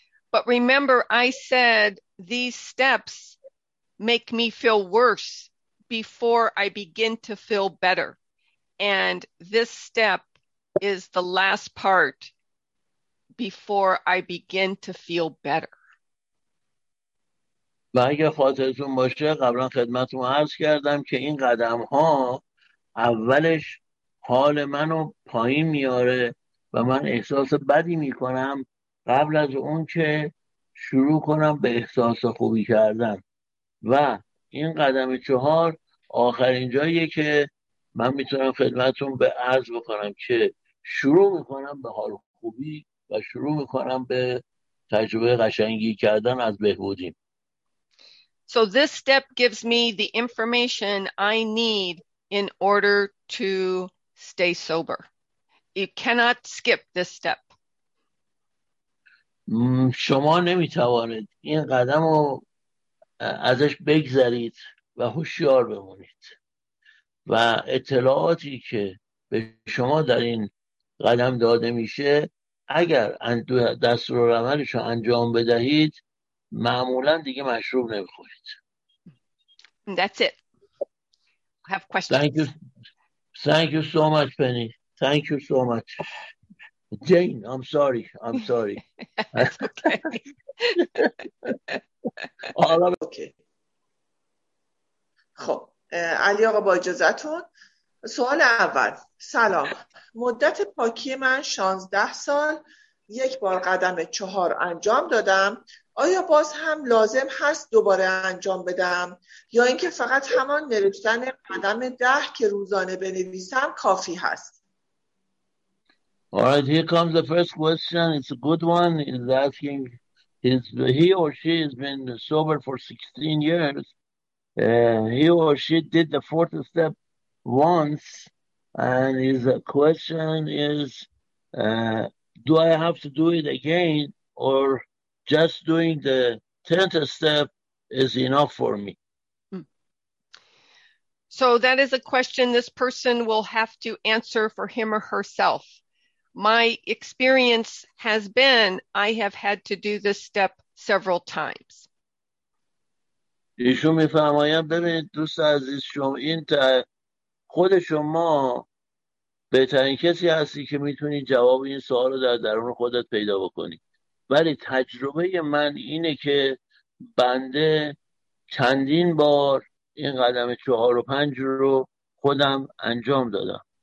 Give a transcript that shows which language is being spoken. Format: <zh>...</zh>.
<en>But remember I said these steps make me feel worse before I begin to feel better. And this step is the last part before I begin to feel better.</en> <fa>و اگه خاطرتون باشه قبلا خدمتون عرض کردم که این قدم ها اولش حال منو پایین میاره و من احساس بدی میکنم قبل از اون که شروع کنم به احساس خوبی کردن. و این قدم چهار آخرین جاییه که من میتونم خدمتون به عرض بکنم که شروع میکنم به حال خوبی و شروع میکنم به تجربه قشنگی کردن از بهبودیم.</fa> <en>So this step gives me the information I need in order to stay sober. You cannot skip this step.</en> <fa>شما نمیتوانید این قدم رو ازش بگذرید و هوشیار بمونید و اطلاعاتی که به شما در این قدم داده میشه اگر دستورالعملش رو انجام بدهید معمولا دیگه مشروب نمیخورید.</fa> <en>That's it. I have questions. Thank you so much, Penny. Thank you so much. Jane, I'm sorry. That's okay.</en> <fa>خب علی آقا با اجازتون سوال اول. سلام، مدت پاکی من 16 سال، یک بار قدم چهار انجام دادم، آیا باز هم لازم هست دوباره انجام بدم یا اینکه فقط همان نوشتن قدم 10 که روزانه بنویسم کافی هست؟</fa> <en>Alright, here comes the first question. It's a good one. He's asking, he or she has been sober for 16 years. He or she did the fourth step once. And his question is, do I have to do it again or just doing the 10th step is enough for me? So that is a question this person will have to answer for him or herself. My experience has been I have had to do this step several times.</en> <fa>ایشون میفرمایند ببینید دوست عزیز شما، این خود شما بهترین کسی هستی که میتونی جواب این سوال رو در درون خودت پیدا بکنی، ولی تجربه من اینه که بنده چندین بار این قدم 4 و 5 رو خودم انجام دادم.</fa>